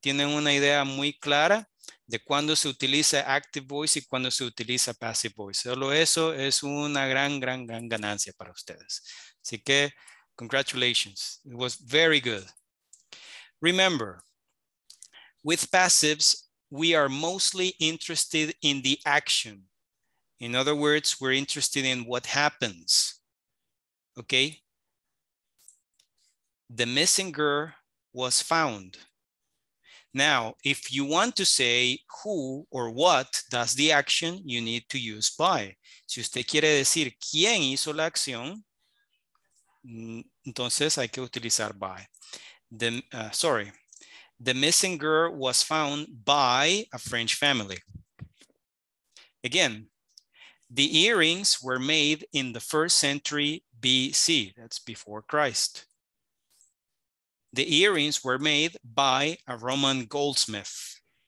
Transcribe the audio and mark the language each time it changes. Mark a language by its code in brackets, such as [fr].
[es] Tienen una idea muy clara de cuándo se utiliza active voice y cuándo se utiliza passive voice. Solo eso es una gran, gran, gran ganancia para ustedes. Así que, [en] congratulations. It was very good. Remember, with passives, we are mostly interested in the action. In other words, we're interested in what happens. Okay? The missing girl was found. Now, if you want to say who or what does the action, you need to use by. [es] Si usted quiere decir quién hizo la acción, entonces hay que utilizar by. [en] The missing girl was found by a French family. Again, the earrings were made in the first century BC, that's before Christ. The earrings were made by a Roman goldsmith.